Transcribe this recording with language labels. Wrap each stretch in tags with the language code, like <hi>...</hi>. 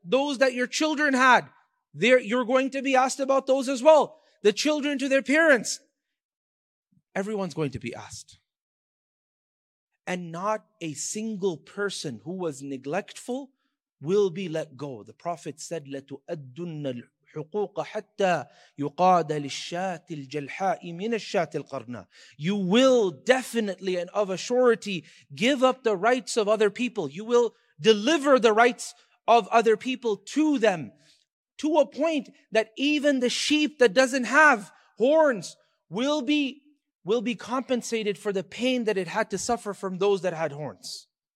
<en>Those that your children had, you're going to be asked about those as well. The children to their parents. Everyone's going to be asked. And not a single person who was neglectful will be let go. The Prophet said,</en> <ar>لَتُؤَدُّنَّ حقوق حتى يقاد للشاة الجلحاء من الشاة القرناء.</ar> <en>You will definitely and of a surety give up the rights of other people. You will deliver the rights of other people to them to a point that even the sheep that doesn't have horns will be compensated for the pain that it had to suffer from those that had horns.</en>